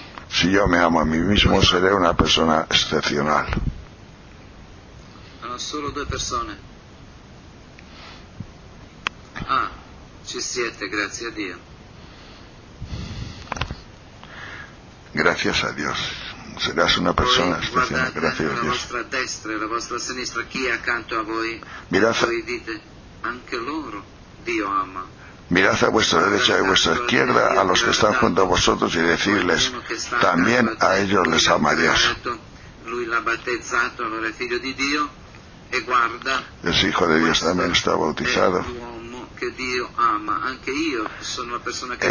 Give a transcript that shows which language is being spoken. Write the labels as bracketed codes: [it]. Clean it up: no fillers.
[es] Si yo me amo a mí mismo, seré una persona excepcional. [it] Solo due persone. Ci siete, grazie a Dio. [es] Gracias a Dios. Serás una persona especial, gracias a Dios. [it] La vostra destra e la vostra sinistra, chi è accanto a voi? [es] Mirad, [it] voi dite, anche loro Dio ama. [es] Mirad a vuestra derecha y vuestra izquierda, a los que están junto a vosotros, y decirles, también a ellos les ama Dios. [it] Lui l'ha battezzato, allora è figlio di Dio, e guarda. [es] Es hijo de Dios, también está bautizado. Que Dios ama, aunque yo soy una persona que